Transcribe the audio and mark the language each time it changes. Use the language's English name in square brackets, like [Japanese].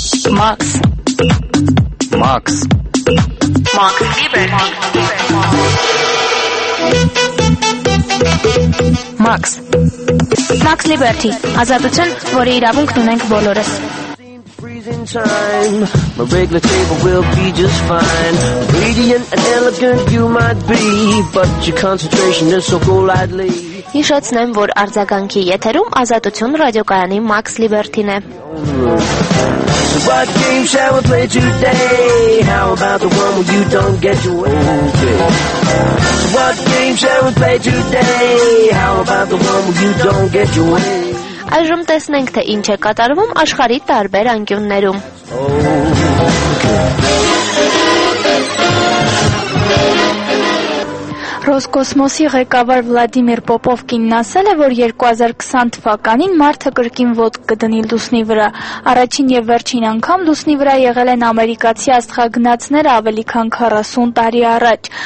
[English] Max. Max. Max Liberty. Max. Max Liberty. [Armenian] Ազատություն, որը իրավունքն ունենք բոլորս. [English] In time, my regular table will be just fine. Radiant and elegant you might be, but your concentration is so cool I'd leave. [Armenian] Հիշեցնեմ, որ արձագանքի եթերում ազատություն ռադիոկայանի Max Liberty-ն է. [English] So what game shall we play today? How about the one where you don't get your way? So what game shall we play today? How about the one where you don't get your way? [Armenian] Այժմ տեսնենք, թե ինչ է կատարվում աշխարհի տարբեր անկյուններում. Ռոսկոսմոսի ղեկավար Վլադիմիր Պոպովկինն ասել է, որ 2020 թվականին Մարսը կրկին ոտք կդնի Լուսնի վրա։ Առաջին եւ վերջին անգամ Լուսնի վրա եղել են ամերիկացի աստղագնացներ ավելի քան 40 տարի առաջ։